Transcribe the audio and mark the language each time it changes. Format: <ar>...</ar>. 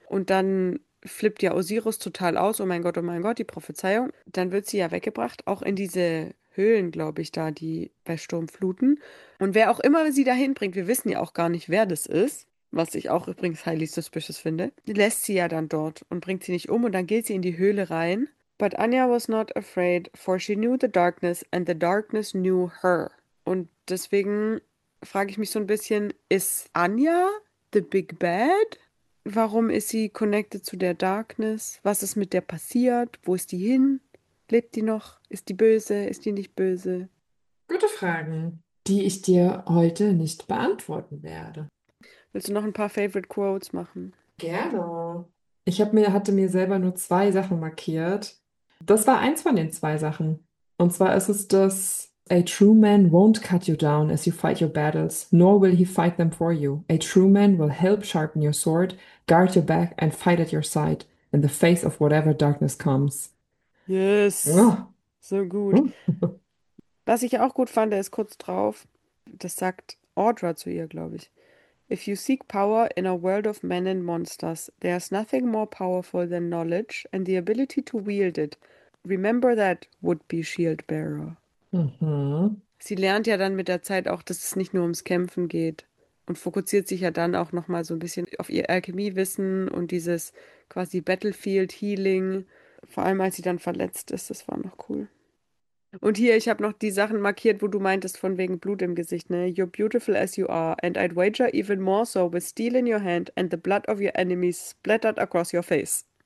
<de>Und dann flippt ja Osiris total aus, oh mein Gott, die Prophezeiung. Dann wird sie ja weggebracht, auch in diese Höhlen, glaube ich, da, die bei Sturmfluten. Und wer auch immer sie dahin bringt, wir wissen ja auch gar nicht, wer das ist. Was ich auch übrigens</de> <en>highly suspicious</en> <de>finde, lässt sie ja dann dort und bringt sie nicht um und dann geht sie in die Höhle rein.</de> <en>But Anya was not afraid, for she knew the darkness and the darkness knew her.</en> <de>Und deswegen frage ich mich so ein bisschen, ist Anya</de> <en>the Big Bad?</en> <de>Warum ist sie connected zu der Darkness? Was ist mit der passiert? Wo ist die hin? Lebt die noch? Ist die böse? Ist die nicht böse? Gute Fragen, die ich dir heute nicht beantworten werde. Willst du noch ein paar Favorite Quotes machen? Gerne. Ich hatte mir selber nur zwei Sachen markiert. Das war eins von den zwei Sachen. Und zwar ist es das:</de> <en>A true man won't cut you down as you fight your battles, nor will he fight them for you. A true man will help sharpen your sword, guard your back and fight at your side in the face of whatever darkness comes. Yes,</en> <de>Ja. so gut. Was ich auch gut fand, ist kurz drauf, das sagt Audra zu ihr, glaube ich.</de> <en>If you seek power in a world of men and monsters, there is nothing more powerful than knowledge and the ability to wield it. Remember that, would-be shield bearer.</en> <de>Sie lernt ja dann mit der Zeit auch, dass es nicht nur ums Kämpfen geht und fokussiert sich ja dann auch nochmal so ein bisschen auf ihr Alchemiewissen und dieses quasi Battlefield Healing, vor allem als sie dann verletzt ist, das war noch cool. Und hier, ich habe noch die Sachen markiert, wo du meintest, von wegen Blut im Gesicht, ne?</de> <en>You're beautiful as you are, and I'd wager even more so with steel in your hand and the blood of your enemies splattered across your face.</en>